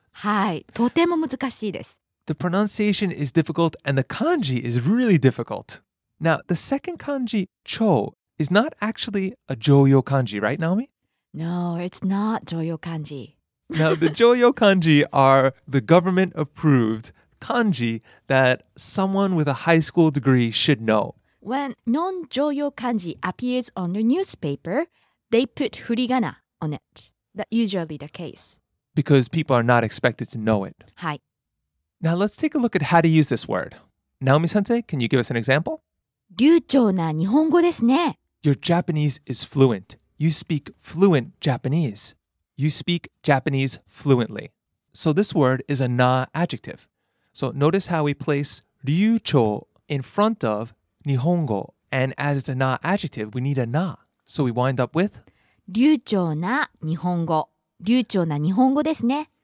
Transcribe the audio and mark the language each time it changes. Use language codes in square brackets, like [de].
[ja] はい、とても難しいです。 [en] The pronunciation is difficult and the kanji is really difficult. Now, the second kanji, 長 is not actually a 常用kanji, right, Naomi? No, it's not 常用 kanji. Now, the 常用 kanji are the government approved kanji that someone with a high school degree should know. When non-joyo kanji appears on the newspaper, they put furigana on it. That's usually the case. Because people are not expected to know it. Hi. Now let's take a look at how to use this word. Naomi-sensei, can you give us an example? [ja] 流暢な日本語ですね。 [en] Your Japanese is fluent. You speak fluent Japanese. You speak Japanese fluently. So this word is a na adjective. So notice how we place 流暢 in front of 日本語 and as it's a na adjective, we need a na. So we wind up with [ja] 流暢な日本語流暢な日本語ですね。